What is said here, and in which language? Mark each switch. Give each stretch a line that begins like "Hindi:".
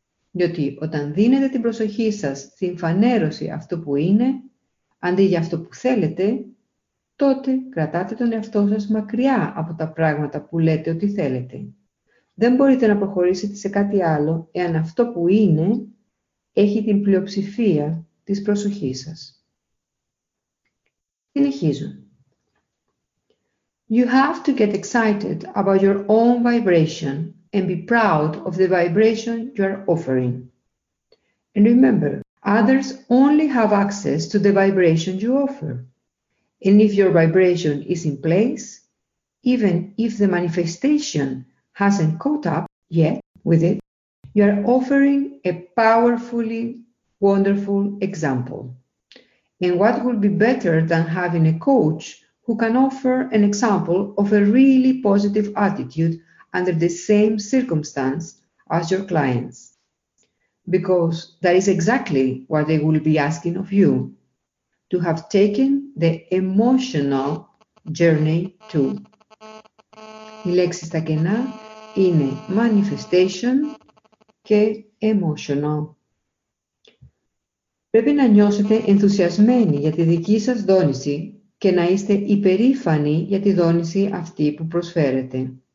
Greek: Διότι όταν δίνετε την προσοχή σας στην φανέρωση αυτό που είναι, αντί για αυτό που θέλετε, τότε κρατάτε τον εαυτό σας μακριά από τα πράγματα που λέτε ότι θέλετε. Δεν μπορείτε να προχωρήσετε σε κάτι άλλο, εάν αυτό που είναι έχει την πλειοψηφία της προσοχής σας. Συνεχίζω.
English: You have to get excited about your own vibration and be proud of the vibration you are offering. And remember, others only have access to the vibration you offer. And if your vibration is in place, even if the manifestation hasn't caught up yet with it, you are offering a powerfully wonderful example. And what would be better than having a coach who can offer an example of a really positive attitude under the same circumstance as your clients? Because that is exactly what they will be asking of you, to have taken the emotional journey too.
Greek: Οι λέξεις στα κενά είναι manifestation και emotional. Πρέπει να νιώσετε ενθουσιασμένοι για τη δική σας δόνηση και να είστε υπερήφανοι για τη δόνηση αυτή που προσφέρετε.